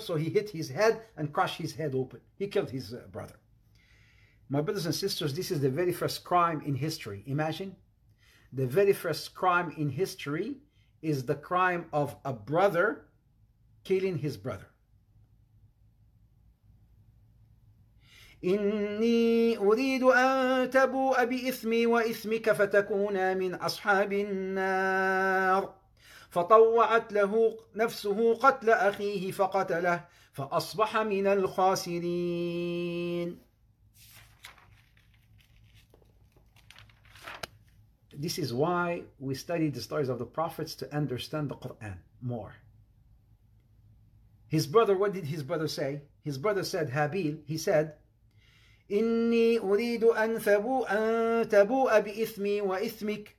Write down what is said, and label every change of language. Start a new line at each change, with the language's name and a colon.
English: So he hit his head and crushed his head open. He killed his brother. My brothers and sisters, this is the very first crime in history. Imagine, the very first crime in history is the crime of a brother killing his brother.
Arabic: إني أريد أن تبوء بإثمي وإثمك فتكون من أصحاب النار فطوعت له نفسه قتل أخيه فقتله فأصبح من الخاسرين.
English: This is why we study the stories of the prophets to understand the Quran more. His brother, what did his brother say? His brother said, Habil, he said,
Arabic: إني أريد أن تبوء بإثمي وإثمك.